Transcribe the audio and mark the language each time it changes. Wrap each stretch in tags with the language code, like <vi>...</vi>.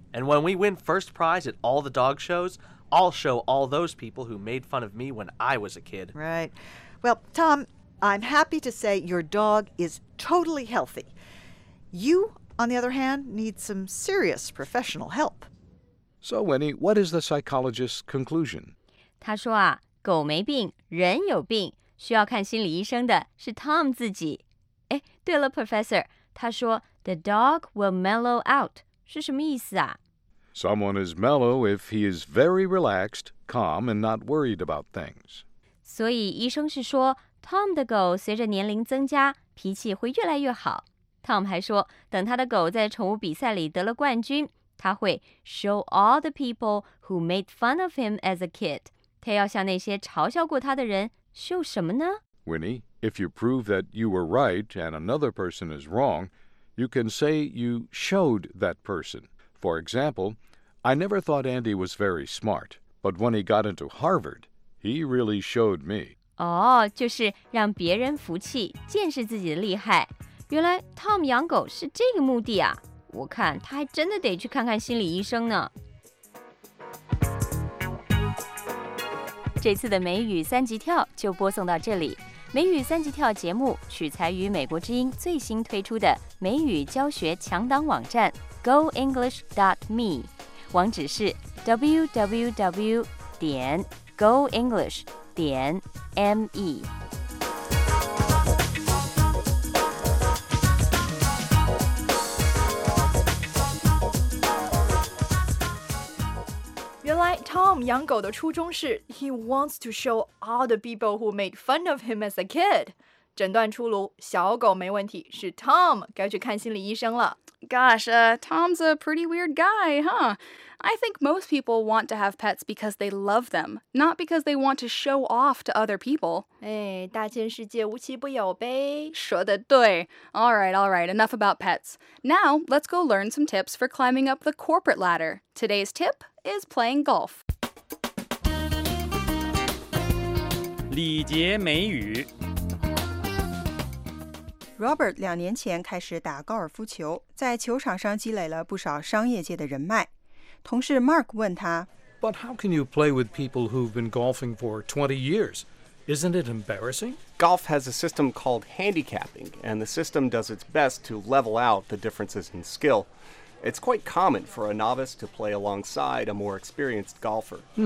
<en>And when we win first prize at all the dog shows, I'll show all those people who made fun of me when I was a kid. Right. Well, Tom, I'm happy to say your dog is totally healthy. You are... On the other hand, need some serious professional help. So, Winnie, what is the psychologist's conclusion?</en> <zh>他说啊，狗没病，人有病，需要看心理医生的是 Tom 自己。对了 ，Professor， 他说</zh> <en>the dog will mellow out</en> <zh>是什么意思啊</zh> <en>Someone is mellow if he is very relaxed, calm, and not worried about things.</en> <zh>所以医生是说 ，Tom 的狗随着年龄增加，脾气会越来越好。 Tom 还说，等他的狗在宠物比赛里得了冠军，他会</zh> <en>show all the people who made fun of him as a kid.</en> <zh>他要向那些嘲笑过他的人 show 什么呢</zh> <en>？Winnie, if you prove that you were right and another person is wrong, you can say you showed that person. For example, I never thought Andy was very smart, but when he got into Harvard, he really showed me.</en> <zh>哦，就是让别人服气，见识自己的厉害。原来 Tom 养狗是这个目的啊！我看他还真的得去看看心理医生呢。这次的美语三级跳就播送到这里。美语三级跳节目取材于美国之音最新推出的美语教学强档网站 goenglish.me， 网址是 www.goenglish.me。</zh> <en>Tom</en> <zh>养狗的初衷是</zh> <en>He wants to show all the people who made fun of him as a kid.</en> <zh>诊断出炉，小狗没问题，是 Tom 该去看心理医生了。</zh> <en>Gosh, Tom's a pretty weird guy, huh? I think most people want to have pets because they love them, not because they want to show off to other people.</en> <zh>哎，大千世界无奇不有呗。说的对。</zh> <en>All right, enough about pets. Now, let's go learn some tips for climbing up the corporate ladder. Today's tip is playing golf.</en> <zh>礼节美语。 Robert 两年前开始打高尔夫球，在球场上积累了不少商业界的人脉。同事 Mark 问他</zh> <en>：“But how can you play with people who've been golfing for 20 years? Isn't it embarrassing?” Golf has a system called handicapping, and the system does its best to level out the differences in skill. It's quite common for a novice to play alongside a more experienced golfer.</en>